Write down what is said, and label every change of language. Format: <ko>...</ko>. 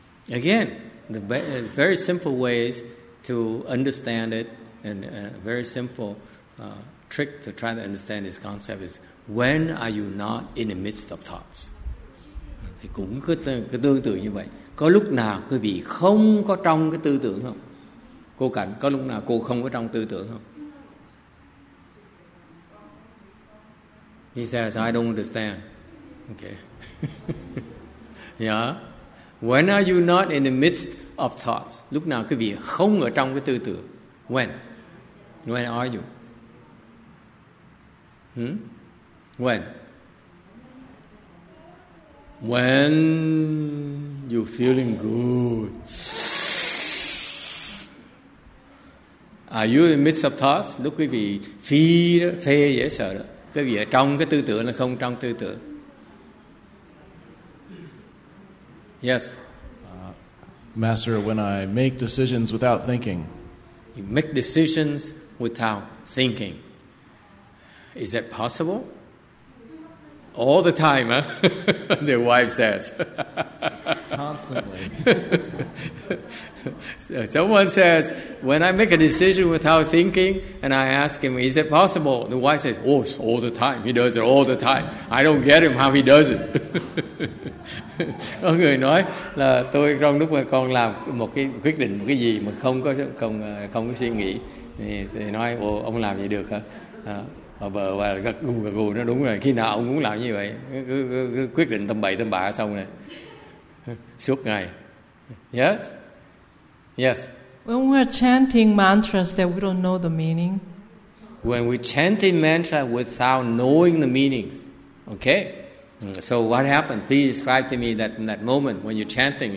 <en>Again, the very simple ways to understand it, and a very simple trick to try to understand this concept is: when are you not in the midst of thoughts?</en> <vi>Thì cũng cứ tương tự như vậy. Có lúc nào quý vị không có trong cái tư tưởng không? Cô Cảnh, có lúc nào cô không có trong tư tưởng không?</vi> <en>He says, I don't understand. Okay. Yeah. When are you not in the midst of thoughts?</en> <vi>Lúc nào quý vị không ở trong cái tư tưởng?</vi> <en>When are you? When you feeling good, are you in the midst of thoughts?</en> <vi>Lúc quý vị phi đó, phê dễ sợ đó. Quý vị ở trong cái tư tưởng là không trong tư tưởng.</vi> <en>Yes. Master, when I make decisions without thinking. You make decisions without thinking. Is that possible? All the time, huh? Their wife says. Constantly. Someone says, when I make a decision without thinking, and I ask him, is it possible? The wife says, oh, all the time. He does it all the time. I don't get him how he does it.</en> <vi>Có người nói là tôi trong lúc mà con làm một cái quyết định, một cái gì mà không có suy nghĩ, thì nói, ồ, ông làm gì được hả? Và gật gù gật gù, nó đúng rồi, khi nào ông muốn làm như vậy, cứ quyết định tâm bậy tâm bạ xong rồi suốt ngày.</vi> <en>Yes. When we're chanting mantras that we don't know the meaning. When we chanting mantra without knowing the meanings. Okay. So what happened? Please describe to me that moment when you're chanting.</en>